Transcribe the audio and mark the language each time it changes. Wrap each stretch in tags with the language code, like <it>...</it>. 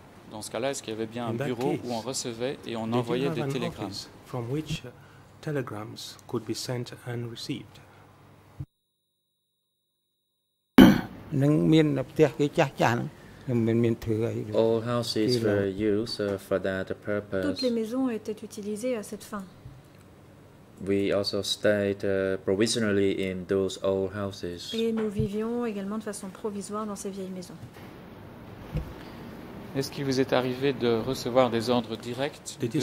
<fr>Dans ce cas-là, est-ce qu'il y avait bien un bureau où on recevait et on envoyait des télégrammes?</fr> <en>From which telegrams could be sent and received? All houses were used for that purpose.</en> <fr>Toutes les maisons étaient utilisées à cette fin.</fr> <en>We also stayed provisionally in those old houses.</en> <fr>Et nous vivions également de façon provisoire dans ces vieilles maisons. Est-ce qu'il vous est arrivé de recevoir des ordres directs de Dakir?</fr>